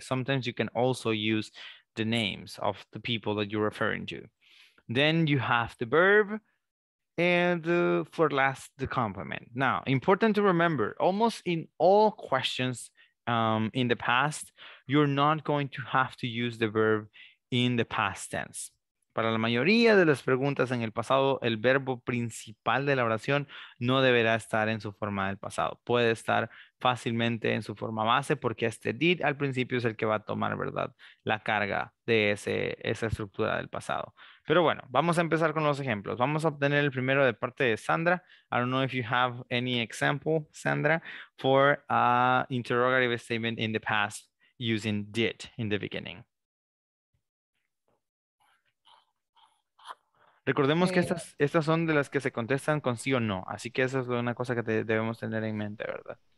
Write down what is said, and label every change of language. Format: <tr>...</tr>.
<en>Sometimes you can also use the names of the people that you're referring to. Then you have the verb. And for last, the complement. Now, important to remember, almost in all questions in the past, you're not going to have to use the verb in the past tense.</en> <es>Para la mayoría de las preguntas en el pasado, el verbo principal de la oración no deberá estar en su forma del pasado. Puede estar fácilmente en su forma base porque este did al principio es el que va a tomar, ¿verdad?, la carga de esa estructura del pasado. Pero bueno, vamos a empezar con los ejemplos. Vamos a obtener el primero de parte de Sandra.</es> <en>I don't know if you have any example, Sandra, for a interrogative statement in the past using did in the beginning.</en> <es>Recordemos que estas son de las que se contestan con sí o no. Así que esa es una cosa que debemos tener en mente, ¿verdad?</es>